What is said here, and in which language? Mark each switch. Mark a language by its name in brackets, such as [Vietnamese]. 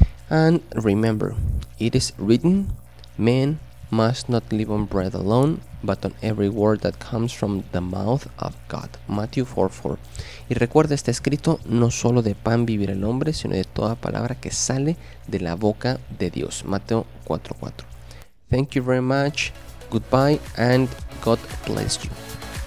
[English] And remember, it is written, man must not live on bread alone, but on every word that comes from the mouth of God. Matthew 4:4. [Spanish] Y recuerda, está escrito, no solo de pan vivirá el hombre, sino de toda palabra que sale de la boca de Dios. [English] Matthew 4:4. Thank you very much. Goodbye and God bless you.